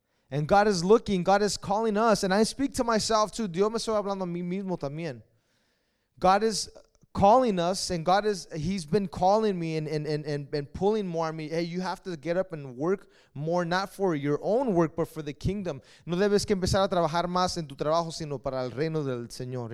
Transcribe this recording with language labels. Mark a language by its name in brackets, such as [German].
[English] And God is looking, God is calling us. And I speak to myself too. [Spanish] Dios me estoy hablando a mí mismo también. [English] God is calling us, and God is, he's been calling me and pulling more on me. Hey, you have to get up and work more, not for your own work, but for the kingdom. [Spanish] No debes que empezar a trabajar más en tu trabajo, sino para el reino del Señor.